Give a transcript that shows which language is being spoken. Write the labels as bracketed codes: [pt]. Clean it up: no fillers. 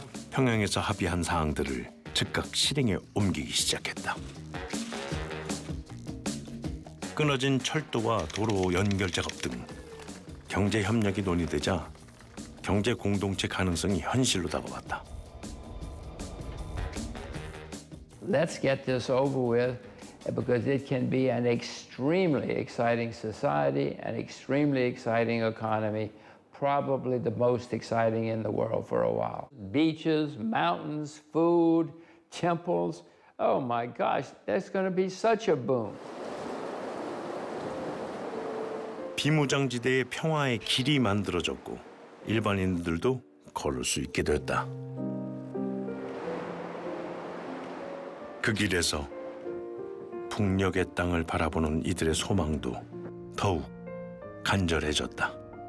[ko] 평양에서 합의한 사항들을 즉각 실행에 옮기기 시작했다. 끊어진 철도와 도로 연결 작업 등 경제 협력이 논의되자 경제 공동체 가능성이 현실로 다가왔다. [en] Let's get this over with because it can be an extremely exciting society, an extremely exciting economy, probably the most exciting in the world for a while. Beaches, mountains, food, temples. Oh my gosh, that's going to be such a boom. [ko] 비무장지대의 평화의 길이 만들어졌고 일반인들도 걸을 수 있게 되었다. 그 길에서 북녘의 땅을 바라보는 이들의 소망도 더욱 간절해졌다.